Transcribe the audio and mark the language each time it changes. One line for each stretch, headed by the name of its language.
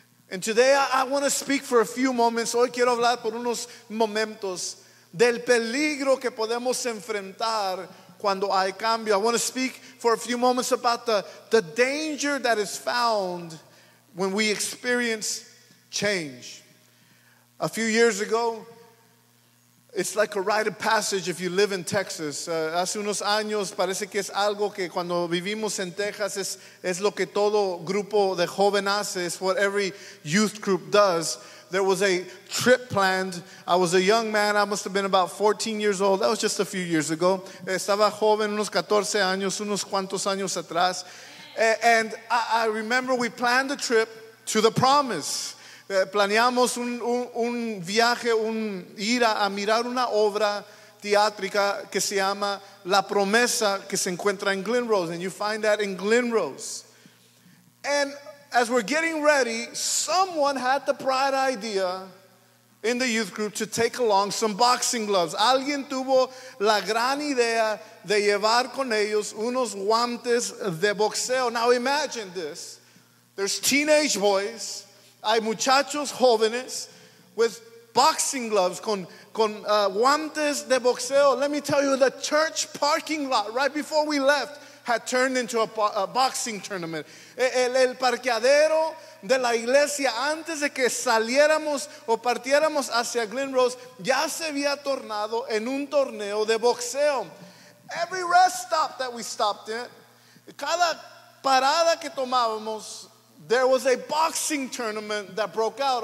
English: And today I want to speak for a few moments.
Spanish: Hoy quiero hablar por unos momentos del peligro que podemos enfrentar cuando hay cambio.
English: I want to speak for a few moments about the danger that is found when we experience change. A few years ago, it's like a rite of passage if you live in Texas.
Spanish: Hace unos años parece que es algo que cuando vivimos en Texas es lo que todo grupo de joven hace.
English: It's what every youth group does. There was a trip planned. I was a young man. I must have been about 14 years old. That was just a few years ago.
Spanish: Estaba joven, unos 14 años, unos cuantos años atrás.
English: And I remember we planned a trip to the promise.
Spanish: Planeamos un viaje, un ir a mirar una obra teátrica que se llama La Promesa, que se encuentra en Glen Rose.
English: And you find that in Glen Rose. And as we're getting ready, someone had the bright idea in the youth group to take along some boxing gloves.
Spanish: Alguien tuvo la gran idea de llevar con ellos unos guantes de boxeo.
English: Now imagine this. There's teenage boys.
Spanish: Hay muchachos jóvenes
English: with boxing gloves,
Spanish: con guantes de boxeo.
English: Let me tell you, the church parking lot right before we left had turned into a boxing tournament.
Spanish: El parqueadero de la iglesia antes de que saliéramos o partiéramos hacia Glen Rose ya se había tornado en un torneo de boxeo.
English: Every rest stop that we stopped in,
Spanish: cada parada que tomábamos,
English: there was a boxing tournament that broke out.